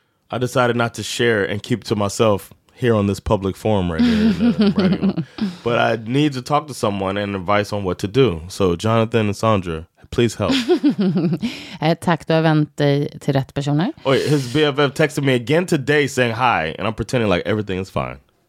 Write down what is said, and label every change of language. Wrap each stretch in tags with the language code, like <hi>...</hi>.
<en>I decided not to share and keep to myself here on this public forum right here. But I need to talk to someone and advice on what to do. So Jonathan and Sandra, please help.</en> <sv>Tack, du har vänt dig till rätt personer.</sv> <en>Oh, his BFF texted me again today saying hi, and I'm pretending like everything is fine.</en>